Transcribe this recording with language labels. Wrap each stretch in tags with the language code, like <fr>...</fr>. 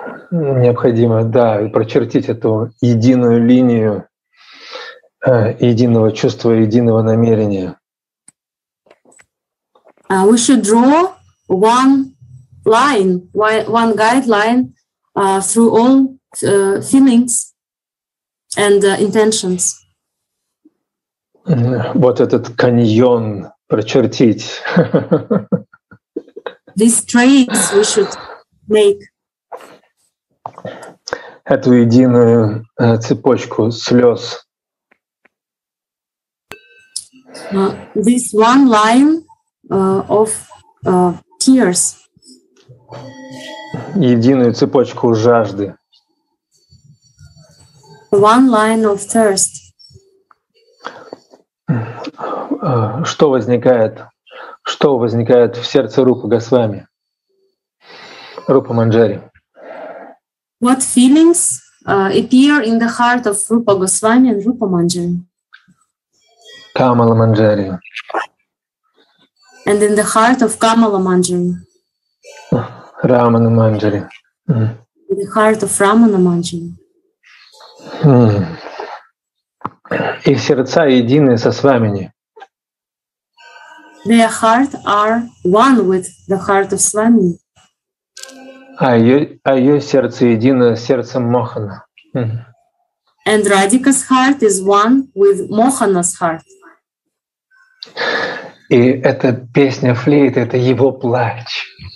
<ru>Необходимо, да, прочертить эту единую линию единого чувства, единого намерения.</ru> <en>We should draw one line, one guideline through all feelings and intentions.</en> <ru>Вот этот каньон прочертить.</ru> <en>These traits we should make.</en> <ru>Эту единую цепочку слез.</ru> <en>This one line of tears.</en> <ru>Единую цепочку жажды.</ru> <en>One line of thirst.</en> <ru>Что возникает в сердце Рупы Госвами? Рупа Манджари.</ru> <en>What feelings appear in the heart of Rupa Goswami and Rupa Manjari? Kamala Manjari. And in the heart of Kamala Manjari? Ramana Manjari. Mm. In the heart of Ramana Manjari. Mm.</en> <ru>Их сердца едины со Свамини.</ru> <en>Their hearts are one with the heart of Swami.</en> <ru>А ее сердце едино с сердцем Мохана.</ru> <en>And Radhika's heart is one with Mohana's heart.</en> <ru>И эта песня флейт — это его плач.</ru>